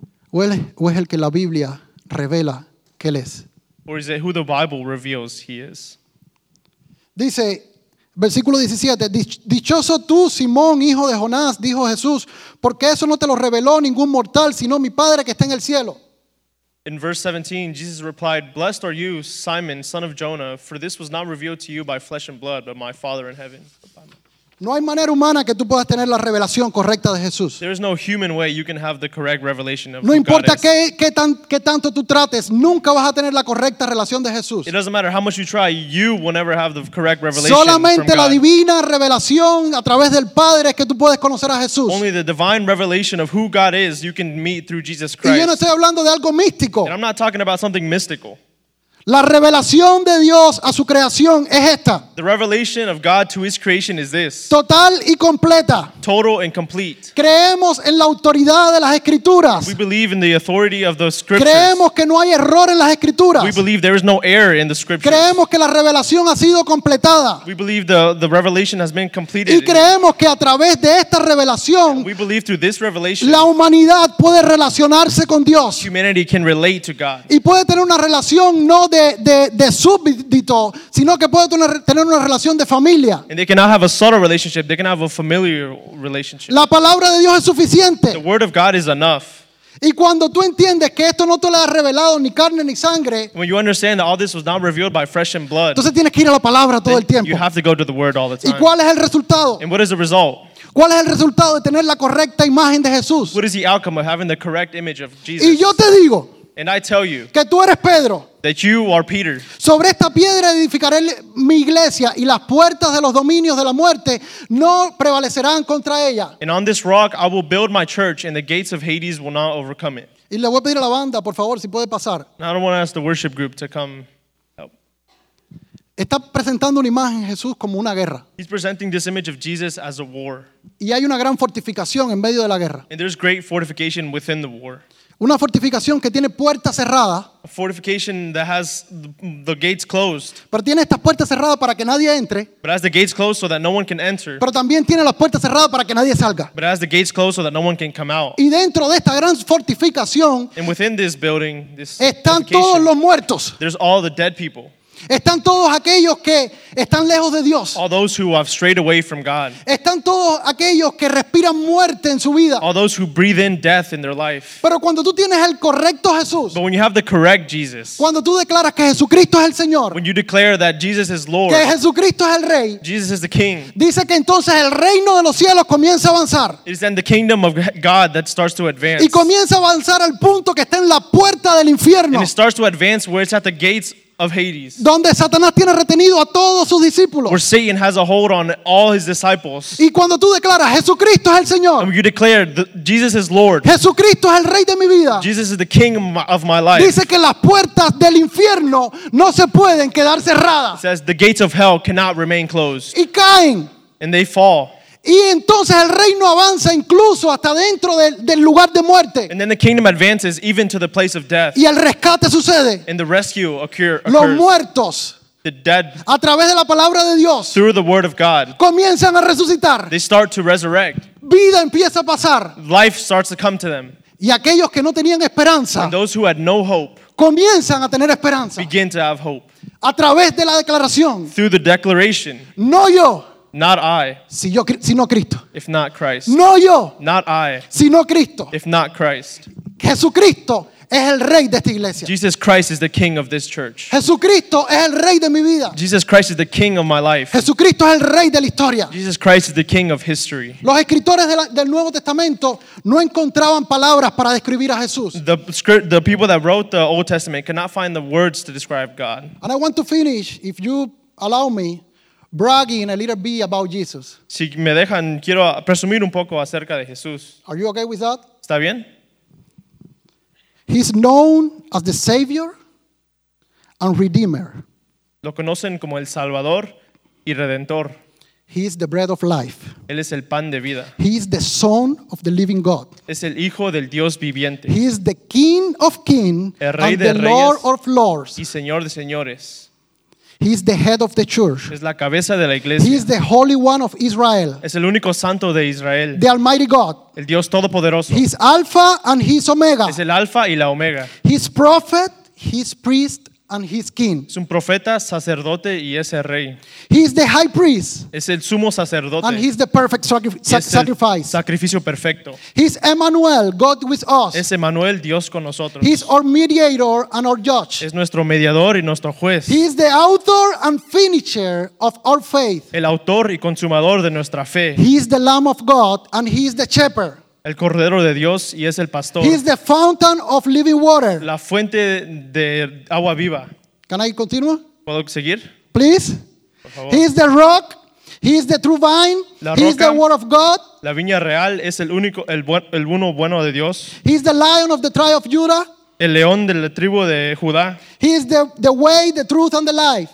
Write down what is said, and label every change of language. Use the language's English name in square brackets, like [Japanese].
[Spanish] ¿O es el que la Biblia revela que él es? [English] Or is it who the Bible reveals he is? [Spanish] Dice, versículo 17, dichoso tú, Simón, hijo de Jonás, dijo Jesús, porque eso no te lo reveló ningún mortal, sino mi Padre que está en el cielo. [English] In verse 17, Jesus replied, blessed are you, Simon, son of Jonah, for this was not revealed to you by flesh and blood, but my Father in heaven. [Spanish] No hay manera humana que tú puedas tener la revelación correcta de Jesús. [English] There is no human way you can have the correct revelation of God. [Spanish] No importa qué tanto tú trates, nunca vas a tener la correcta relación de Jesús. [English] It doesn't matter how much you try, you will never have the correct revelation. [Spanish] Solamente [English] from [Spanish] la [English] God. [Spanish] Divina revelación a través del Padre es que tú puedes conocer a Jesús. [English] Only the divine revelation of who God is you can meet through Jesus Christ. [Spanish] Y yo no estoy hablando de algo místico. [English] And I'm not talking about something mystical. [Spanish] La revelación de Dios a su creación es esta. [English] The revelation of God to his creation is this. [Spanish] Total y completa. [English] Total and complete. [Spanish] Creemos en la autoridad de las Escrituras. [English] We believe in the authority of the Scriptures. [Spanish] Creemos que no hay error en las Escrituras. [English] We believe there is no error in the Scriptures. [Spanish] Creemos que la revelación ha sido completada. [English] We believe the revelation has been completed. [Spanish] Y creemos que a través de esta revelación, [English] we believe through this revelation, [Spanish] la humanidad puede relacionarse con Dios. [English] Humanity can relate to God. [Spanish] Y puede tener una relación no de súbdito, sino que puede tener una relación de familia. [English] And they cannot have a subtle relationship, they can have a familiar relationship. [Spanish] La palabra de Dios es suficiente. [English] The word of God is enough. [Spanish] Y cuando tú entiendes que esto no te lo ha revelado ni carne ni sangre, [English] when you understand that all this was not revealed by flesh and blood, [Spanish] entonces tienes que ir a la palabra todo el tiempo. [English] You have to go to the word all the time. [Spanish] ¿Y cuál es el resultado? [English] And what is the result? [Spanish] ¿Cuál es el resultado de tener la correcta imagen de Jesús? [English] What is the outcome of having the correct image of Jesus? [Spanish] Y yo te digo, [English] and I tell you, [Spanish] que tú eres Pedro. [English] That you are Peter. [Spanish] Sobre esta piedra edificaré mi iglesia y las puertas de los dominios de la muerte no prevalecerán contra ella. [English] And on this rock I will build my church and the gates of Hades will not overcome it. [Spanish] Y le voy a pedir a la banda, por favor, si puede pasar. [English] And I don't want to ask the worship group to come help. [Spanish] Está presentando una imagen de Jesús como una guerra. [English] He's presenting this image of Jesus as a war. [Spanish] Y hay una gran fortificación en medio de la guerra. [English] And there's great fortification within the war. [Spanish] Una fortificación que tiene puerta cerrada. [English] A fortification that has the gates closed. [Spanish] Pero tiene estas puertas cerradas para que nadie entre. [English] But has the gates closed so that no one can enter. [Spanish] Pero también tiene las puertas cerradas para que nadie salga. [English] But has the gates closed so that no one can come out. [Spanish] Y dentro de esta gran fortificación, [English] and within this building, this [Spanish] están todos los muertos. [English] There's all the dead people. [Spanish] Están todos aquellos que están lejos de Dios. [English] All those who have strayed away from God. [Spanish] Están todos aquellos que respiran muerte en su vida. [English] All those who breathe in death in their life. [Spanish] Pero cuando tú tienes el correcto Jesús. [English] But when you have the correct Jesus. [Spanish] Cuando tú declaras que Jesucristo es el Señor. [English] When you declare that Jesus is Lord. [Spanish] Que Jesucristo es el Rey. [English] Jesus is the King. [Spanish] Dice que entonces el reino de los cielos comienza a avanzar. [English] It is then the kingdom of God that starts to advance. [Spanish] Y comienza a avanzar al punto que está en la puerta del infierno. [English] And it starts to advance where it's at the gates of Hades. [Spanish] Donde Satanás tiene retenido a todos sus discípulos. [English] Where Satan has a hold on all his disciples. [Spanish] Y cuando tú declaras Jesucristo es el Señor. [English] And you declare Jesus is Lord. [Spanish] Jesucristo es el Rey de mi vida. [English] Jesus is the King of my life. [Spanish] Dice que las puertas del infierno no se pueden quedar cerradas. [English] It says the gates of hell cannot remain closed. [Spanish] Y caen. [English] And they fall. [Spanish] Y entonces el reino avanza incluso hasta dentro del lugar de muerte. [English] And then the kingdom advances even to the place of death. [Spanish] Y el rescate sucede. [English] And the rescue occurs. [Spanish] Los muertos. [English] The dead. [Spanish] A través de la palabra de Dios. [English] Through the word of God. [Spanish] Comienzan a resucitar. [English] They start to resurrect. [Spanish] Vida empieza a pasar. [English] Life starts to come to them. [Spanish] Y aquellos que no tenían esperanza, [English] and those who had no hope, [Spanish] comienzan a tener esperanza, [English] begin to have hope, [Spanish] a través de la declaración, [English] through the declaration, [Spanish] no yo, [English] not I, [Spanish] si yo, sino Cristo, [English] if not Christ, [Spanish] no yo, [English] not I, [Spanish] sino Cristo, [English] if not Christ. [Spanish] Jesucristo es el rey de esta iglesia. [English] Jesus Christ is the king of this church. [Spanish] Jesucristo es el rey de mi vida. [English] Jesus Christ is the king of my life. [Spanish] Jesucristo es el rey de la historia. [English] Jesus Christ is the king of history. [Spanish] Los escritores del Nuevo Testamento no encontraban palabras para describir a Jesús. [English] The people that wrote the Old Testament could not find the words to describe God. And I want to finish, if you allow me, bragging a little bit about Jesus. [Spanish] Si me dejan, quiero presumir un poco acerca de Jesús. [English] Are you okay with that? [Spanish] ¿Está bien? [English] He's known as the Savior and Redeemer. [Spanish] Lo conocen como el Salvador y Redentor. [English] He is the bread of life. [Spanish] Él es el pan de vida. [English] He is the Son of the living God. [Spanish] Es el Hijo del Dios viviente. [English] He is the King of kings [Spanish] el Rey [English] and [Spanish] de [English] the [Spanish] Reyes [English] Lord of lords. [Spanish] Y Señor de señores. [English] He is the head of the church. [Spanish] Es la cabeza de la iglesia. [English] He is the Holy One of Israel. [Spanish] Es el único santo de Israel. [English] The Almighty God. [Spanish] El Dios todopoderoso. [English] He is Alpha and He is Omega. [Spanish] Es el Alfa y la Omega. [English] He is prophet, He is priest, and He is king. [Spanish] Es un profeta, sacerdote y es el rey. [English] He is the high priest. [Spanish] Es el sumo sacerdote. [English] And He is the perfect sacrifice. [Spanish] Sacrificio perfecto. [English] He is Emmanuel, God with us. [Spanish] Es Emmanuel, Dios con nosotros. [English] He is our mediator and our judge. [Spanish] Es nuestro mediador y nuestro juez. [English] He is the author and finisher of our faith. [Spanish] El autor y consumador de nuestra fe. [English] He is the Lamb of God and He is the shepherd. [Spanish] El Cordero de Dios y es el Pastor. [English] He is the fountain of living water. [Spanish] La fuente de agua viva. [English] Can I continue? [Spanish] ¿Puedo seguir? [English] Please. [Spanish] Por favor. [English] He is the rock. He is the true vine. [Spanish] La roca. [English] He is the word of God. [Spanish] La viña real es el único, el uno bueno de Dios. [English] He is the lion of the tribe of Judah. [Spanish] El león de la tribu de Judá. [English] He is the way, the truth, and the life.